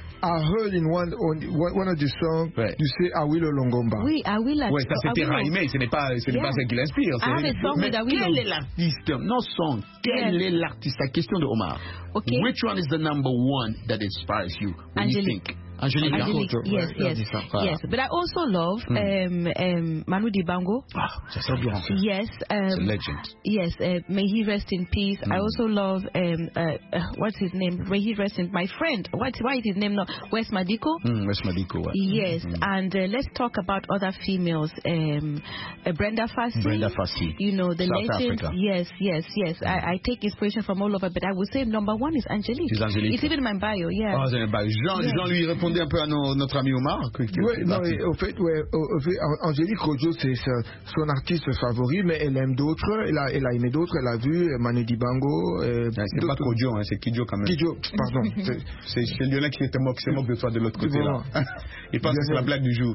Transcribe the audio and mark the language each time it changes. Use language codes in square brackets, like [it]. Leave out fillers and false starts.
[en] I heard in one of the songs, you say Awilo Longomba. [fr] Oui, Awilo. Ouais, ça c'était Raimé, ce n'est pas ça qui l'inspire. Ah, le song de Awilo. Quel est l'artiste? Non, song. Quel est l'artiste? La question de Omar. Okay. [en] Which one is the number one that inspires you? Angelique. You think? Angelique Bango. Yes. But I also love Manu Dibango. [fr] Ah, c'est bien. [en] Yes. It's a legend. Yes. May he rest in peace. Mm. I also love what's his name? May he rest in my friend. Why is his name not Wes Madiko? Wes Madiko. Yes. Mm. And let's talk about other females. Brenda Fassie. Brenda Fassie. You know the South legend. Africa. Yes. Yes. Yes. I take inspiration from all over, but I would say number one is Angelique. It's Angelique. It's even my bio. Yeah. [fr] Oh, c'est un bio. Jean lui répondait un peu à notre ami Omar. Au fait, Angelique Rojo, c'est son artiste favori, mais elle aime d'autres. Elle a aimé d'autres. Elle a vu Manu Dibango. C'est pas Rojo, hein, c'est Kidjo quand même. Kidjo, pardon. c'est Lionel qui se moque de toi de l'autre côté. Là. Il pense que c'est la blague du jour.